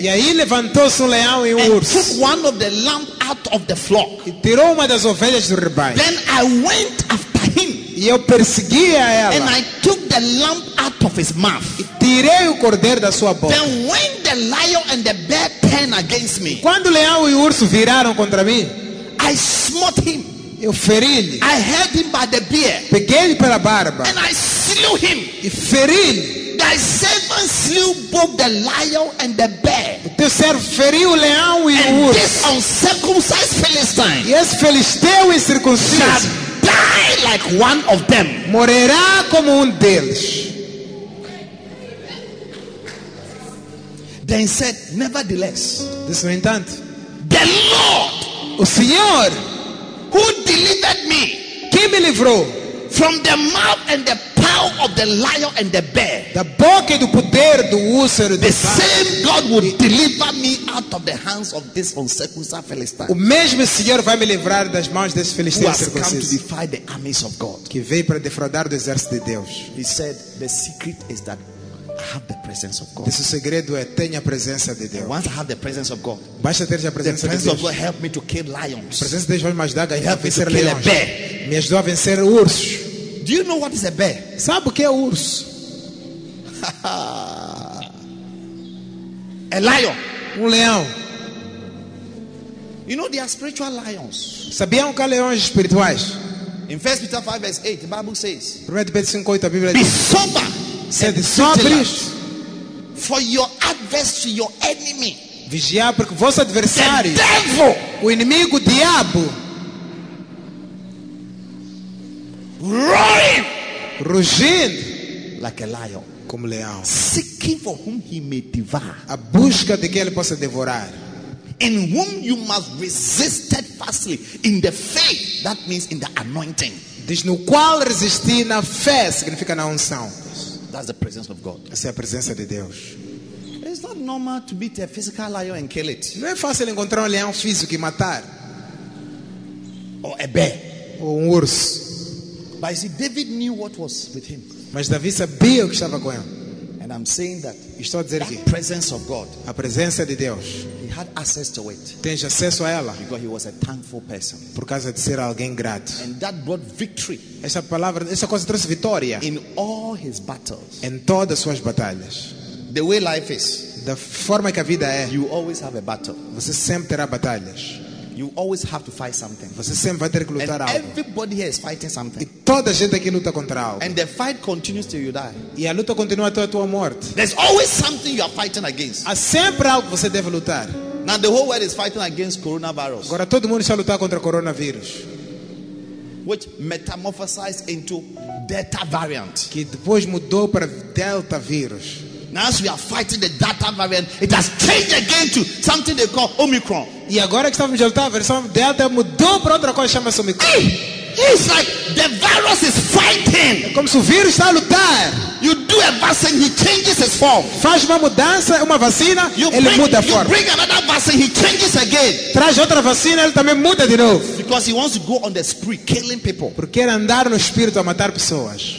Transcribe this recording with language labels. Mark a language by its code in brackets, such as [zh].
[pt] E aí levantou-se leão e urso. [en] And took one of the lamb out of the flock. [pt] E tirou uma das ovelhas do rebanho. [en] Then I went after him. [pt] E eu perseguia ela. [en] And I took the lamb out of his mouth. [pt] E tirei o cordeiro da sua boca. [en] Then when the lion and the bear turned against me. [pt] Quando o leão e o urso viraram contra mim. [en] I smote him. [pt] Eu feri-lhe. [en] I held him by the beard. [pt] Peguei-lhe pela barba. [en] And I slew him. [pt] E feri-lhe. [en] Thy servant slew both the lion and the bear. [pt] O teu servo feriu o leão e o urso. [en] And this uncircumcised Philistine. [pt] E esse filisteu incircunciso. [en] Shall die like like one of them. [pt] Morará como deles. [en] Then he said, nevertheless, the Lord, [pt] o Senhor, [en] who delivered me, [pt] quem me livrou, [en] from the mouth and the power of the lion and the bear, [pt] da boca e do poder do urso, [en] the same God will deliver me out of the hands of this uncircumcised Philistine. [pt] O mesmo Senhor vai me livrar das mãos desse Filisteu circunciso. [en] Who has come to defy the armies of God? [pt] Que veio para defraudar o exército de Deus. [en] He said, the secret is that I have the presence of God. [pt] Esse segredo é tenha a presença de Deus. [en] And once I have the presence of God, [pt] basta ter a presença de Deus. [en] The presence of God helped me to kill lions. [pt] A presença de Deus vai me ajudar a ganhar, vencer leões. [en] A bear. [pt] Me ajudou a vencer ursos. [en] Do you know what is a bear? [pt] Sabe o que é urso? [en] A lion. [pt] Leão. [en] You know they are spiritual lions. [pt] Sabiam que há leões espirituais? [en] In 1 Peter 5 verse 8, the Bible says. [pt] 1 Peter 5 8, a Bíblia diz. [en] Be sober. Said sobre. For your adversary, your enemy. [pt] Vigiar porque vosso adversário. [en] The devil. [pt] O inimigo, o diabo. [en] Roaring. [pt] Rugindo. [en] Like a lion. [pt] Como leão. [en] Seeking for whom he may devour. [pt] A busca de quem ele possa devorar. [en] In whom you must resist steadfastly in the faith. That means in the anointing. [pt] Diz no qual resistir na fé, significa na unção. [en] That's the presence of God. [pt] Essa é a presença de Deus. [en] It's not normal to beat a physical lion and kill it. [pt] Não é fácil encontrar leão físico e matar. [en] Or a bear. [pt] Ou urso. [en] But you see, David knew what was with him. [pt] Mas Davi sabia o que estava com ele. [en] And I'm saying that. [pt] Estou a dizer [en] the presence of God. [pt] A presença de Deus. [en] He had access to it. [pt] Tem acesso a ela. [en] Because he was a thankful person. [pt] Por causa de ser alguém grato. [en] And that brought victory. [pt] Essa palavra, essa coisa trouxe vitória. [en] In all his battles. [pt] Em todas suas batalhas. [en] The way life is. [pt] Da forma que a vida é. [en] You always have a battle. [pt] Você sempre terá batalhas. [en] You always have to fight something. [pt] Você sempre vai ter que lutar [en] and [pt] algo. [en] Everybody here is fighting something. [pt] E toda a gente aqui luta contra algo. [en] And the fight continues till you die. [pt] E a luta continua até a tua morte. [en] There's always something you are fighting against. [pt] Há sempre algo que você deve lutar. [en] Now the whole world is fighting against coronavirus. [pt] Agora todo mundo está a lutar contra o coronavírus. [en] Which metamorphosized into Delta variant. [pt] Que depois mudou para Delta vírus. [en] Now as we are fighting the Delta variant, it has changed again to something they call Omicron. [pt] E agora que estamos a lutar, a versão Delta mudou para outra coisa chamada Omicron. [en] It's like the virus is fighting. [pt] É como se o vírus está a lutar. [en] You do a vaccine, he changes his form. [pt] Faz uma mudança, uma vaccina, ele muda a forma. [en] You bring another vaccine, he changes again. [pt] Traz outra vacina, ele também muda de novo. [en] Because he wants to go on the spree, killing people. [pt] Porque quer andar no espírito a matar pessoas.